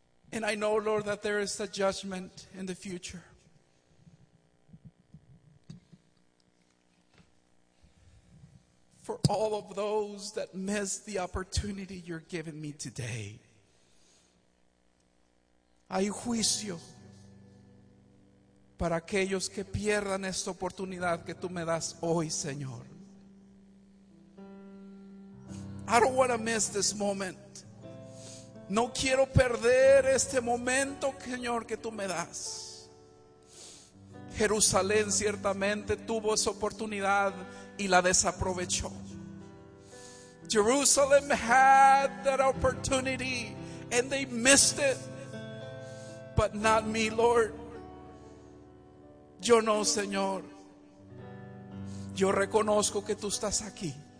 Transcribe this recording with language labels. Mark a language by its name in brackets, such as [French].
[English] And I know, Lord, that there is a judgment in the future. For all of those that missed the opportunity you're giving me today. [Spanish] Hay juicio para aquellos que pierdan esta oportunidad que tú me das hoy, Señor. [English] I don't want to miss this moment. [Spanish] No quiero perder este momento, Señor, que tú me das. Jerusalén ciertamente tuvo esa oportunidad y la desaprovechó. [English] Jerusalem had that opportunity and they missed it. But not me, Lord. [Spanish] Yo no, Señor. Yo reconozco que tú estás aquí.